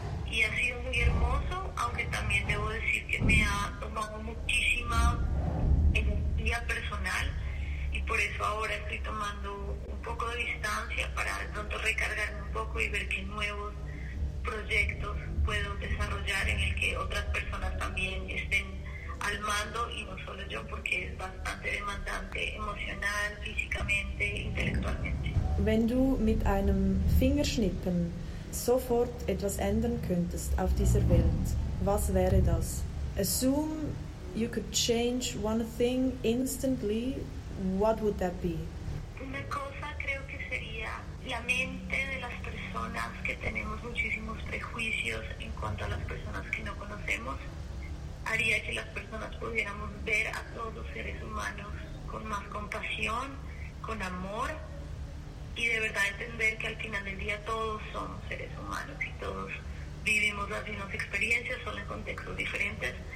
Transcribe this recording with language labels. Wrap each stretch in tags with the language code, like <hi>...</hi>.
<es>y ha sido muy hermoso, aunque también debo decir que me ha tomado muchísima energía personal y por eso ahora estoy tomando un poco de distancia para de pronto recargarme un poco y ver qué nuevos proyectos puedo desarrollar en el que otras personas también estén al mando y no solo yo, porque es bastante demandante emocional, físicamente, intelectualmente.</es> <de>Wenn du mit einem Fingerschnippen sofort etwas ändern könntest auf dieser Welt, was wäre das?</de> <en>Assume you could change one thing instantly, what would that be?</en> <es>Una cosa creo que sería la mente de las personas que tenemos muchísimos prejuicios en cuanto a las personas que no conocemos. Haría que las personas pudiéramos ver a todos los seres humanos con más compasión, con amor, y de verdad entender que al final del día todos somos seres humanos y todos vivimos las mismas experiencias, solo en contextos diferentes.</es>